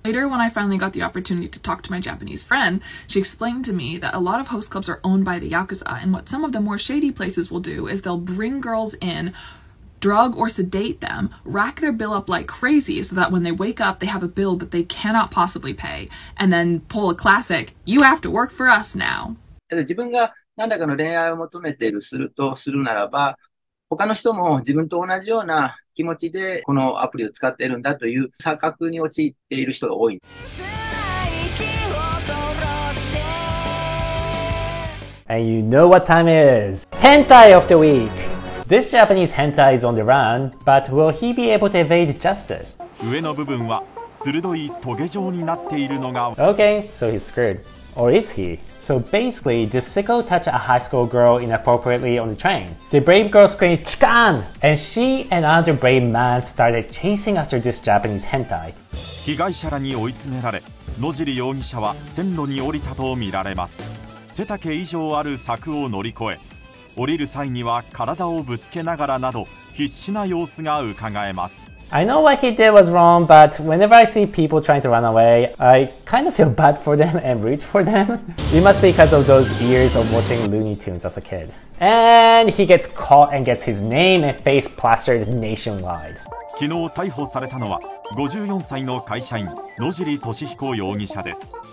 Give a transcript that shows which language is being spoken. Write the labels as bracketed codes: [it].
[en] Later, when I finally got the opportunity to talk to my Japanese friend, she explained to me that a lot of host clubs are owned by the Yakuza, and what some of the more shady places will do is they'll bring girls in, drug or sedate them, rack their bill up like crazy so that when they wake up, they have a bill that they cannot possibly pay, and then pull a classic, you have to work for us now. [ja] 自分が何らかの恋愛を求めているするとするならば、他の人も自分と同じような気持ちでこのアプリを使っているんだという錯覚に陥っている人が多い。 [en] And you know what time it is! Hentai of the week! This Japanese hentai is on the run, but will he be able to evade justice? [ja] 上の部分は鋭いトゲ状になっているのが… [en] Okay, so he's screwed. or is he? So basically, does Sicko touch a high school girl inappropriately on the train? The brave girl screamed Chikan! And she and another brave man started chasing after this Japanese hentai. [ja] 被害者らに追い詰められ、野尻容疑者は線路に降りたと見られます。背丈以上ある柵を乗り越え、降りる際には体をぶつけながらなど必死な様子がうかがえます。 [en] I know what he did was wrong, but whenever I see people trying to run away, I kind of feel bad for them and root for them. It must be because of those years of watching Looney Tunes as a kid. And he gets caught and gets his name and face plastered nationwide. [ja] 昨日逮捕されたのは54歳の会社員野尻俊彦容疑者です。